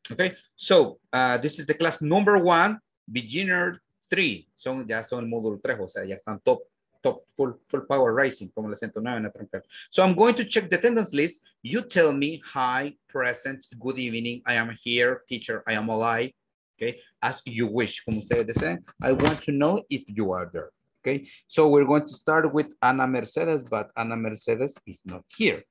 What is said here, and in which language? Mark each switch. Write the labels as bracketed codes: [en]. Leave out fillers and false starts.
[en] Okay, so, this is the class number one, beginner three. [es] Ya son el módulo tres, o sea, ya están top, [en] full power rising, [es] como la 109 en la trompeta. [en] So I'm going to check the attendance list. You tell me, hi, present, good evening, I am here, teacher, I am alive. Okay, as you wish, [es] como ustedes deseen. [en] I want to know if you are there. Okay, so we're going to start with Ana Mercedes, but Ana Mercedes is not here.